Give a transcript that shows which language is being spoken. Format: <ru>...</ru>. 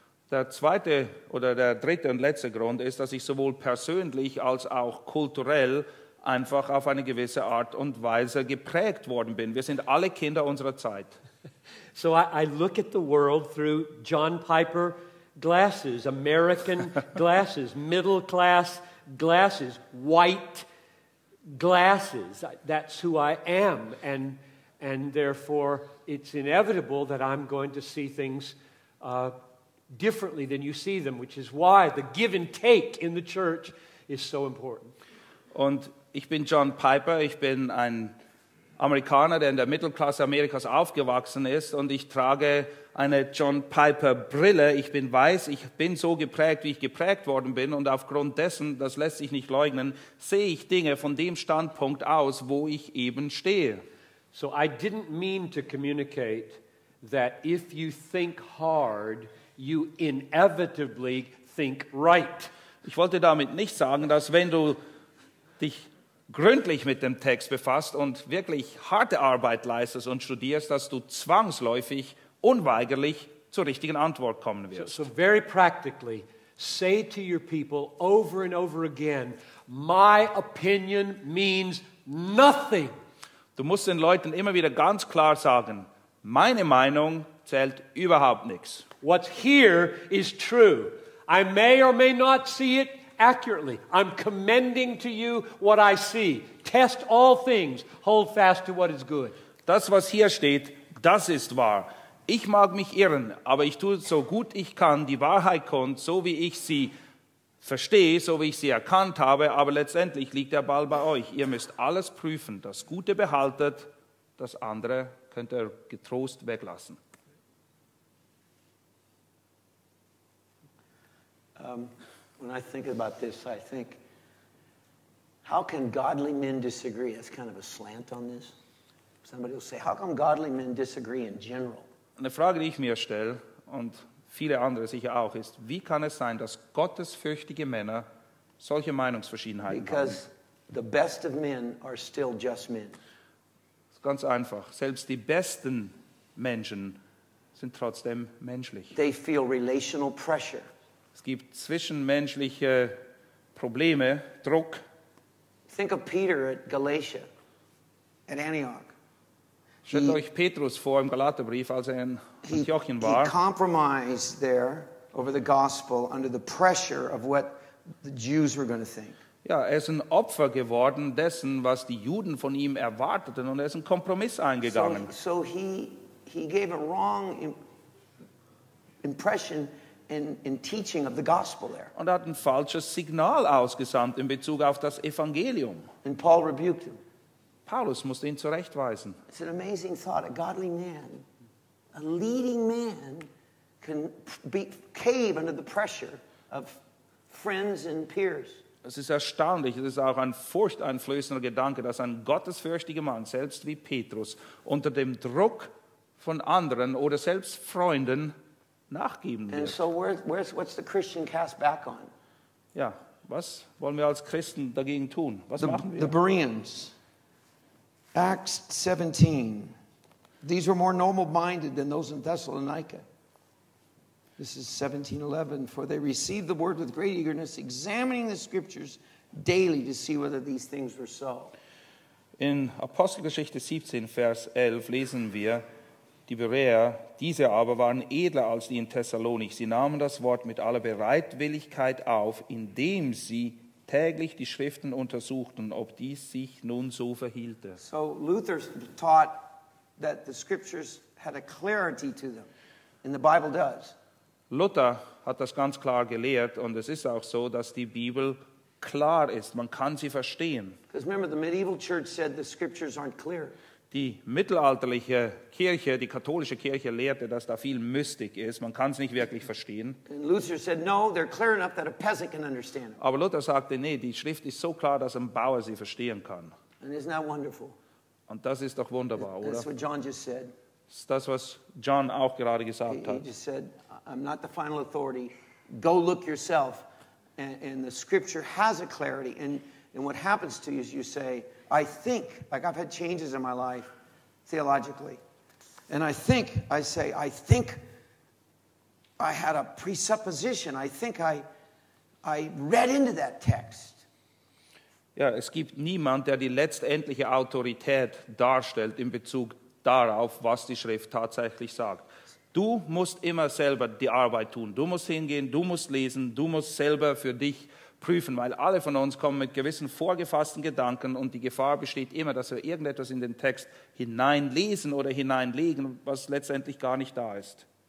<de>Der zweite oder der dritte und letzte Grund ist, dass ich sowohl persönlich als auch kulturell einfach auf eine gewisse Art und Weise geprägt worden bin. Wir sind alle Kinder unserer Zeit.</de> <en>So I look at the world through John Piper glasses, American glasses, middle class glasses, white glasses. That's who I am, and therefore it's inevitable that I'm going to see things differently than you see them, which is why the give and take in the church is so important.</en> <de>Und ich bin John Piper, ich bin ein Amerikaner, der in der Mittelklasse Amerikas aufgewachsen ist, und ich trage eine John Piper Brille. Ich bin weiß, ich bin so geprägt, wie ich geprägt worden bin, und aufgrund dessen, das lässt sich nicht leugnen, sehe ich Dinge von dem Standpunkt aus, wo ich eben stehe.</de> <en>So I didn't mean to communicate that if you think hard, you inevitably think right.</en> <de>Ich wollte damit nicht sagen, dass wenn du dich gründlich mit dem Text befasst und wirklich harte Arbeit leistest und studierst, dass du zwangsläufig, unweigerlich zur richtigen Antwort kommen wirst.</de> <en>So very practically, say to your people over and over again, my opinion means nothing.</en> <de>Du musst den Leuten immer wieder ganz klar sagen, meine Meinung zählt überhaupt nichts.</de> <en>What's here is true. I may or may not see it accurately. I'm commending to you what I see. Test all things. Hold fast to what is good.</en> <de>Das, was hier steht, das ist wahr. Ich mag mich irren, aber ich tue so gut ich kann, die Wahrheit kommt, so wie ich sie verstehe, so wie ich sie erkannt habe, aber letztendlich liegt der Ball bei euch. Ihr müsst alles prüfen. Das Gute behaltet, das andere könnt ihr getrost weglassen.</de> <en>When I think about this, I think, how can godly men disagree? That's kind of a slant on this. Somebody will say, how come godly men disagree in general?</en> <de>Eine Frage, die ich mir stelle, und viele andere sicher auch, ist, wie kann es sein, dass gottesfürchtige Männer solche Meinungsverschiedenheiten haben?</de> <en>Because the best of men are still just men.</en> <de>Das ist ganz einfach. Selbst die besten Menschen sind trotzdem menschlich.</de> <en>They feel relational pressure.</en> <de>Es gibt zwischenmenschliche Probleme, Druck.</de> <en>Think of Peter at Galatia, at Antioch.</en> <de>Stellt euch Petrus vor im Galaterbrief, als er in Antiochien war.</de> <en>He compromised there over the gospel under the pressure of what the Jews were going to think.</en> <de>Ja, er ist ein Opfer geworden dessen, was die Juden von ihm erwarteten, und er ist einen Kompromiss eingegangen.</de> <en>So he gave a wrong impression in teaching of the gospel there.</en> <de>Und hat ein falsches Signal ausgesandt in Bezug auf das Evangelium.</de> <en>And Paul rebuked him.</en> <de>Paulus musste ihn zurechtweisen.</de> <en>It's an amazing thought. A godly man, a leading man, can be, cave under the pressure of friends and peers.</en> <de>Es ist erstaunlich, es ist auch ein furchteinflößender Gedanke, dass ein gottesfürchtiger Mann, selbst wie Petrus, unter dem Druck von anderen oder selbst Freunden nachgeben wird.</de> <en>And so what's the Christian cast back on?</en> <de>Ja, was wollen wir als Christen dagegen tun? Was machen wir?</de> <en>The Bereans. Acts 17. These were more noble-minded than those in Thessalonica. This is 17:11. For they received the word with great eagerness, examining the scriptures daily to see whether these things were so.</en> <de>In Apostelgeschichte 17, Vers 11 lesen wir, die Bereer, diese aber waren edler als die in Thessalonich. Sie nahmen das Wort mit aller Bereitwilligkeit auf, indem sie täglich die Schriften untersuchten, ob dies sich nun so verhielte.</de> <en>So Luther taught that the scriptures had a clarity to them, and the Bible does.</en> <de>Luther hat das ganz klar gelehrt, und es ist auch so, dass die Bibel klar ist. Man kann sie verstehen.</de> <en>Because remember, the medieval church said the scriptures aren't clear.</en> <de>Die mittelalterliche Kirche, die katholische Kirche, lehrte, dass da viel Mystik ist. Man kann es nicht wirklich verstehen.</de> <en>And Luther said, no, they're clear enough that a peasant can understand them.</en> <de>Aber Luther sagte, nee, die Schrift ist so klar, dass ein Bauer sie verstehen kann.</de> <en>And isn't that wonderful?</en> <de>Und das ist doch wunderbar,</de> <en>that's</en> <de>oder?</de> <en>That's what John just said.</en> <de>Das ist das, was John auch gerade gesagt hat.</de> <en>He just said, I'm not the final authority. Go look yourself. And the scripture has a clarity. And what happens to you is you say, I think, like I've had changes in my life, theologically. And I think, I say, I think I had a presupposition. I think I read into that text.</en> <de>Ja, es gibt niemand, der die letztendliche Autorität darstellt in Bezug darauf, was die Schrift tatsächlich sagt. Du musst immer selber die Arbeit tun. Du musst hingehen, du musst lesen, du musst selber für dich prüfen, weil alle von uns kommen mit gewissen vorgefassten Gedanken und die Gefahr besteht immer, dass wir irgendetwas in den Text hineinlesen oder hineinlegen, was letztendlich gar nicht da ist.</de>